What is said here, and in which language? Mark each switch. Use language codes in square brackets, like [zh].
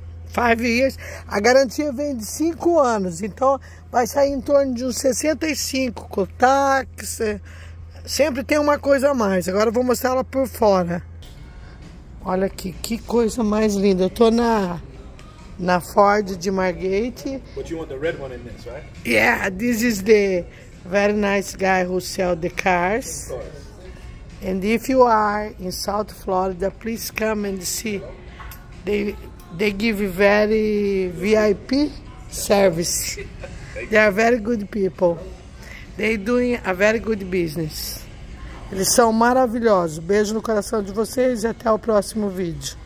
[en] 5 years, [pt] a garantia vem de 5 anos, então vai sair em torno de uns 65 com táxi. Sempre tem uma coisa a mais. Agora eu vou mostrar ela por fora. Olha aqui, que coisa mais linda. Eu tô na Ford de Margate. [en] But you want the red one in this, right? Yeah, this is the very nice guy who sell the Of cars. course. And if you are in South Florida, please come and see. They give very VIP service. They are very good people. They doing a very good business. [pt] Eles são maravilhosos. Beijo no coração de vocês e até o próximo vídeo.